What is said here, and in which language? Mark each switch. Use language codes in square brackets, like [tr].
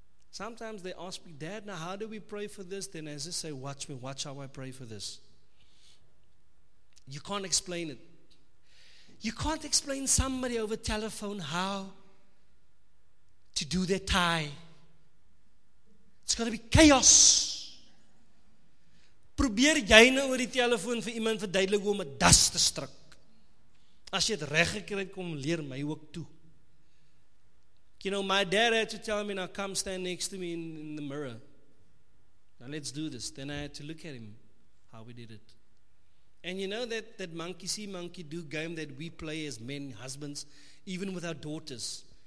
[en] Sometimes they ask me, Dad, now how do we pray for this? Then I just say, watch me. Watch how I pray for this. You can't explain it. You can't explain somebody over telephone how to do their tie. It's going to be chaos. [af] Probeer jy nou oor die telefoon vir iemand verduidelik hoe om 'n das te stryk. As jy dit reg gekry het, kom leer my ook toe. [en] You know, my dad had to tell me, now come stand next to me in the mirror. Now let's do this. Then I had to look at him, how we did it. And you know that monkey see, monkey do game that we play as men, husbands, even with our daughters.